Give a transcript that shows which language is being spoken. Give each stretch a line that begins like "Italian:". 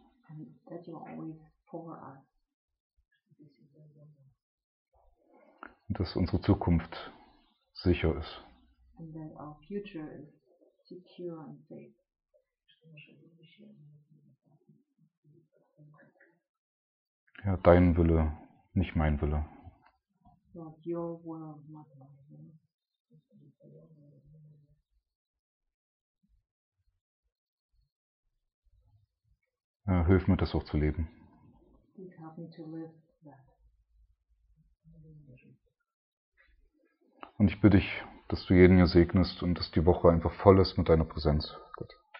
English: And that you are always for us.
German: Dass unsere Zukunft sicher ist.
English: And that our future is secure and safe.
German: Ja, dein Wille, nicht mein Wille.
English: Lord, your will, not my will.
German: Ja, hilf mir, das auch zu leben.
English: Please help me to live that.
German: Und ich bitte dich, dass du jeden hier segnest und dass die Woche einfach voll ist mit deiner Präsenz, Gott.